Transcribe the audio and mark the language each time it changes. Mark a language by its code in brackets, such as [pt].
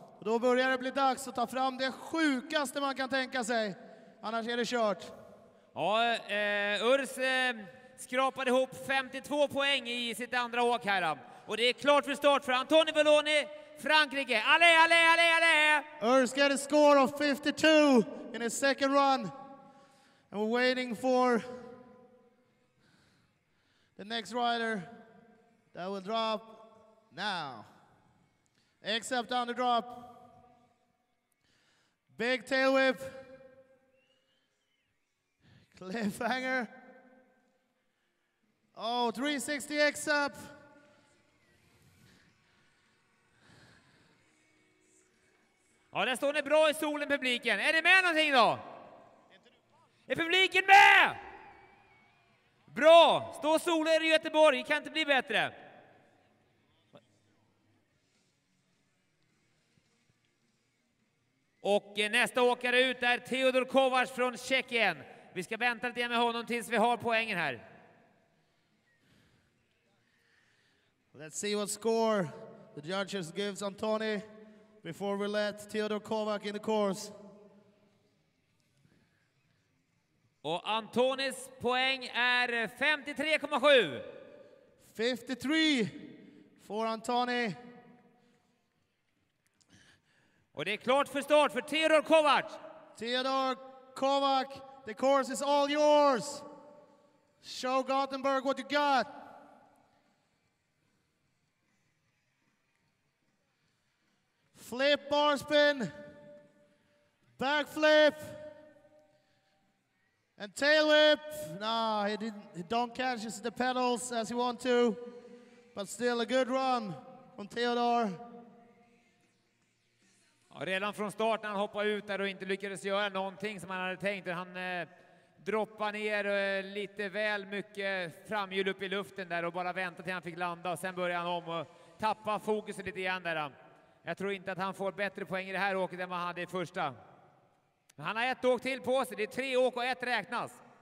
[sv] Och då börjar det bli dags att ta fram det sjukaste man kan tänka sig. Annars är det kört. Ja, Urs skrapade ihop 52 poäng i sitt andra åk här. Och det är klart för start för Antoni Villoni, Frankrike. [fr] Allé, allé, allé, allé! [en] Urs got a score of 52 in his second run. And we're waiting for the next rider that will drop now. Except on the drop. Big tail whip. Cliffhanger. Oh, 360 except. [sv] Ja, där står ni bra i solen, publiken. Är det med någonting då? Är publiken med? Bra! Stå soler i Göteborg. Det kan inte bli bättre. Och nästa åkare ut är Theodor Kovacs från Tjeckien. Vi ska vänta lite med honom tills vi har poängen här. [en] Let's see what score the judges gives Antoni before we let Theodor Kovacs in the course. [sv] Och Antonis poäng är 53,7. 53 för Antoni. Och det är klart för start för Theodor Kovac. [en] Theodor Kovac, the course is all yours. Show Gothenburg what you got. Flip bar spin. Backflip. And tail whip. Nah, he didn't. He don't catch the pedals as he want to, but still a good run from Theodor. [sv] Ja, redan från starten han hoppade ut där och inte lyckades göra någonting som han hade tänkt. Han droppade ner lite väl mycket framhjul upp i luften där och bara väntade till han fick landa, och sen började han om och tappa fokuset lite igen där. Jag tror inte att han får bättre poäng i det här åket än vad han hade i första. Han har ett åk till på sig. Det är tre åk och ett räknas.